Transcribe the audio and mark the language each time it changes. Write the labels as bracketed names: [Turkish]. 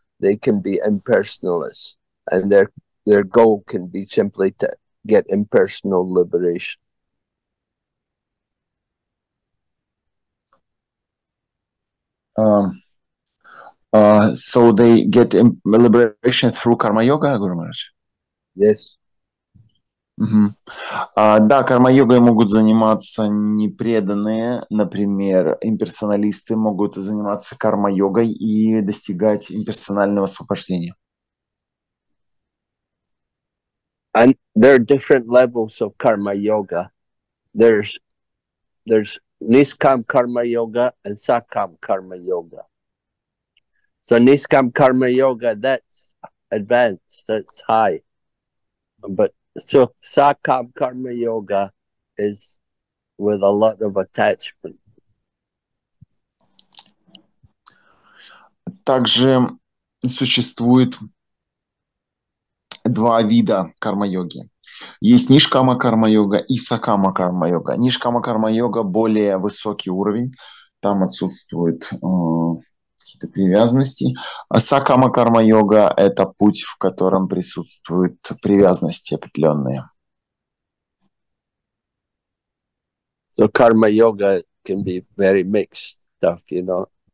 [English] They can be impersonalists, and their goal can be simply to get impersonal liberation. So they get liberation through karma yoga, Guru Maharaj? Yes. Mm-hmm. [Russian] Да, карма йогой могут заниматься непреданные, например, имперсоналисты могут заниматься карма йогой и достигать имперсонального освобождения. [English] And there are different levels of karma yoga. There's niskam karma yoga and sakam karma yoga. So Niskam Karma Yoga, that's advanced, that's high. But so Sakam Karma Yoga is with a lot of attachment. [Russian] Также существует два вида карма-йоги. Есть Нишкама Карма-йога и Сакама Карма-йога. Нишкама Карма-йога более высокий уровень, там отсутствует какие-то привязанности. А сакама карма йога — это путь, в котором присутствуют привязанности определенные. [English] So karma yoga can be very mixed stuff, you know.